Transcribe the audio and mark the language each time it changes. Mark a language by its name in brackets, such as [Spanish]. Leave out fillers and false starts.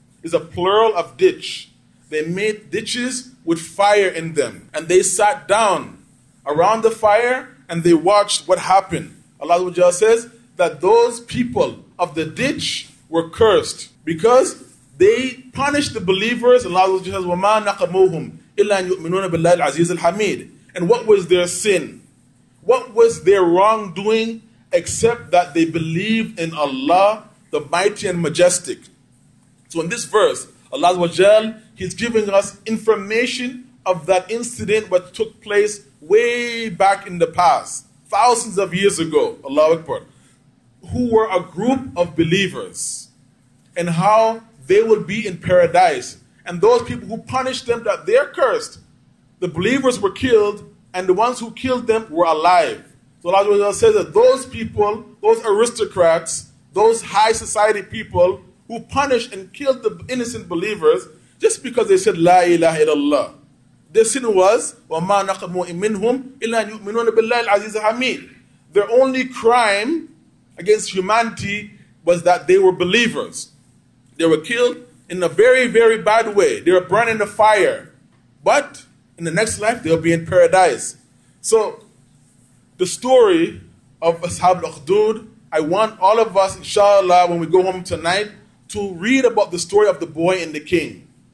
[English] It's a plural of ditch. They made ditches with fire in them. And they sat down around the fire and they watched what happened. Allah says that those people of the ditch were cursed because they punished the believers. Allah says, [Arabic] وَمَا نَقَمُوهُمْ إِلَّا أَن يُؤْمِنُونَ بِاللَّهِ الْعَزِيزِ الْحَمِيدِ. [English] And what was their sin? What was their wrongdoing except that they believed in Allah, the Mighty and Majestic? So in this verse, Allah, He's giving us information of that incident which took place way back in the past, thousands of years ago, Allahu Akbar, who were a group of believers and how they will be in paradise. And those people who punished them, that they're cursed. The believers were killed and the ones who killed them were alive. So Allah says that those people, those aristocrats, those high society people who punished and killed the innocent believers just because they said La ilaha illallah. Their sin was [Arabic] وَمَا نَقَمُوا مِنْهُمْ إِلَّا أَن يُؤْمِنُونَ بِاللَّهِ الْعَزِيزِ الْحَمِيدِ. [English] Their only crime against humanity was that they were believers. They were killed in a very, very bad way. They were burned in the fire. But in the next life, they'll be in paradise. So, the story of Ashab al-Uqdud, I want all of us, inshallah, when we go home tonight, to read about the story of the boy and the king.